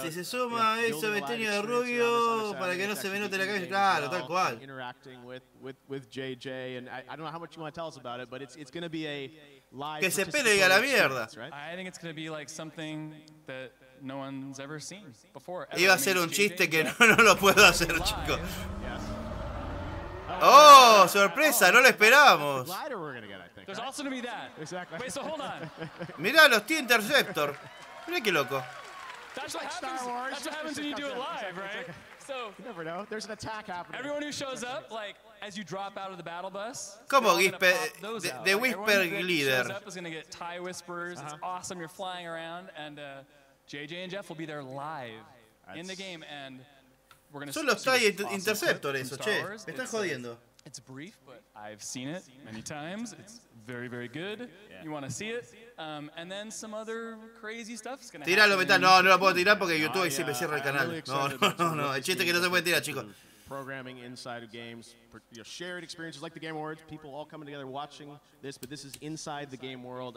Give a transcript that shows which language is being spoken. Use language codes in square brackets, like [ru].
[es] Si se suma, [en] you know, [es] eso, Betenio de Rubio, para que no se me note la cabeza, claro, tal cual. [en] Interacting with JJ, and I don't know how much you want to tell us about it, but it's going to be a [es] Que se pele y a la mierda. [en] I think it's going to be like something that no one's ever seen before. [es] Iba a ser un chiste que no lo puedo hacer, chicos. Oh, sorpresa, no lo esperábamos. [en] There's also going to be that. Exactly. Wait, so hold on. [es] Mirá, los T-Interceptor. Mirá qué loco. [en] That's like Star Wars. That's what happens when you do it live, right? So, you never know. There's an attack happening. Everyone who shows up, like, as you drop out of the battle bus. [es] Como Whisper, [en] the Whisper Leader. Everyone who shows up is going to get TIE Whispers. Uh-huh. It's awesome. You're flying around. And JJ and Jeff will be there live in the game. And we're going to [es] see. Son los TIE Interceptor, eso, che. Me están jodiendo. [en] It's brief, but I've seen it many times. It's very, very good. Yeah. You want to see it? And then some other crazy stuff is going to [es] happen. Tíralo, metal. No, no lo puedo tirar porque YouTube siempre cierra el canal. No. El chiste es que no se puede tirar, chicos. [en] Programming inside of games, shared experiences like the Game Awards, people all coming together watching this, but this is inside the game world.